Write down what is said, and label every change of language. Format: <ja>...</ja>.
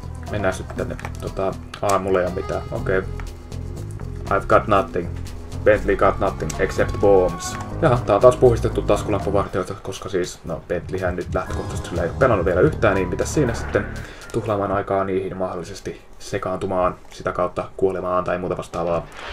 <fi>Mennään sitten tänne aamulle ja mitä.</fi> <en>Okei. Okay. I've got nothing. Bentley got nothing except bombs.</en> <fi>Jaha, tää on taas puhdistettu taskulampuvartijoita, koska siis, no, Bentleyhän nyt lähtökohtaisesti sillä ei pelannut vielä yhtään, niin mitäs siinä sitten tuhlaamaan aikaa niihin mahdollisesti sekaantumaan, sitä kautta kuolemaan tai muuta vastaavaa.</fi>